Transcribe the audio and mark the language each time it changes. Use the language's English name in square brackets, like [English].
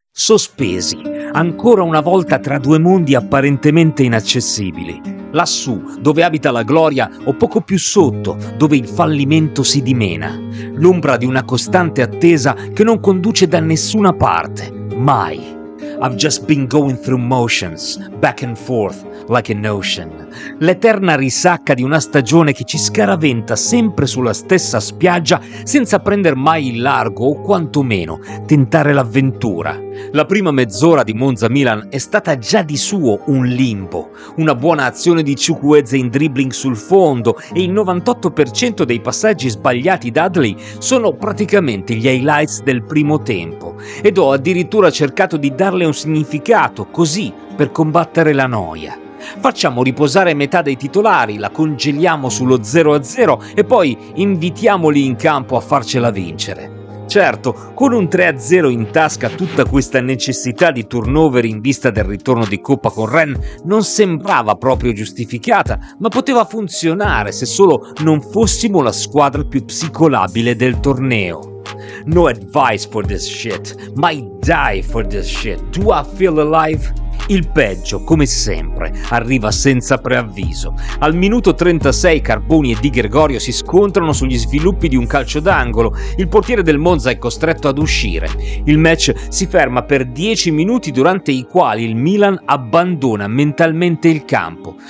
[Italian] sospesi, ancora una volta tra due mondi apparentemente inaccessibili. Lassù, dove abita la gloria, o poco più sotto, dove il fallimento si dimena. L'ombra di una costante attesa che non conduce da nessuna parte, mai. [English] I've just been going through motions, back and forth, like an ocean. [Italian] L'eterna risacca di una stagione che ci scaraventa sempre sulla stessa spiaggia senza prender mai il largo o quantomeno tentare l'avventura. La prima mezz'ora di Monza-Milan è stata già di suo un limbo. Una buona azione di Chukwueze in dribbling sul fondo e il 98% dei passaggi sbagliati da Dudley sono praticamente gli highlights del primo tempo. Ed ho addirittura cercato di darle un significato, così, per combattere la noia. Facciamo riposare metà dei titolari, la congeliamo sullo 0-0 e poi invitiamoli in campo a farcela vincere. Certo, con un 3-0 in tasca, tutta questa necessità di turnover in vista del ritorno di Coppa con Rennes non sembrava proprio giustificata, ma poteva funzionare se solo non fossimo la squadra più psicolabile del torneo. [English] No advice for this shit, my die for this shit, do I feel alive? [Italian] Il peggio, come sempre, arriva senza preavviso. Al minuto 36 Carboni e Di Gregorio si scontrano sugli sviluppi di un calcio d'angolo, il portiere del Monza è costretto ad uscire. Il match si ferma per 10 minuti durante i quali il Milan abbandona mentalmente il campo.